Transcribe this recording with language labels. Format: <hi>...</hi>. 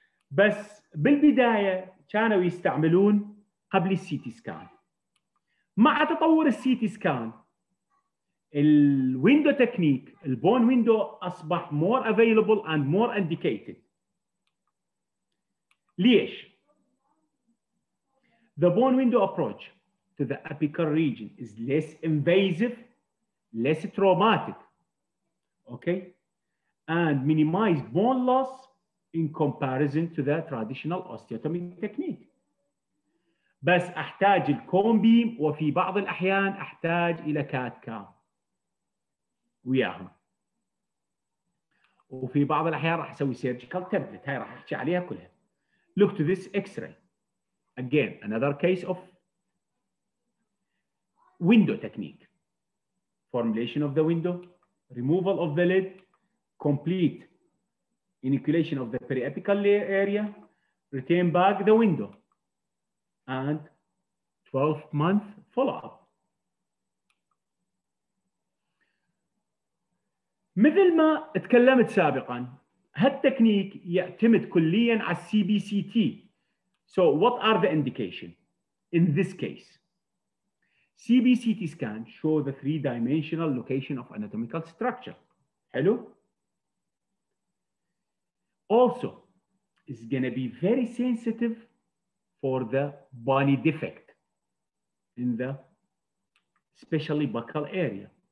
<ar>بس بالبداية كانوا يستعملون قبل السيتي سكان. مع تطور</ar> <en>السيتي سكان الويندو تكنيك البون ويندو اصبح more available and more indicated. ليش؟ The bone window approach to the apical region is less invasive, less traumatic, okay, and minimize bone loss in comparison to the traditional osteotomy technique.</en> <ar>بس احتاج الكومبيم وفي بعض الاحيان احتاج الى كات كام وياهم وفي بعض الاحيان راح اسوي سيرجيكال تابلت هاي راح احكي عليها كلها.</ar> <en>Look to this x-ray again another case of window technique. Formulation of the window, removal of the lid, complete inoculation of the periapical area, retain back the window and 12-month follow-up.</en> <ar>مثل ما تكلمت سابقاً هالتكنيك يعتمد كلياً على CBCT.</ar> <en>So what are the indication in this case? CBCT scan show the three-dimensional location of anatomical structure. Hello? Also, it's gonna be very sensitive for the bony defect in the especially buccal area.</en>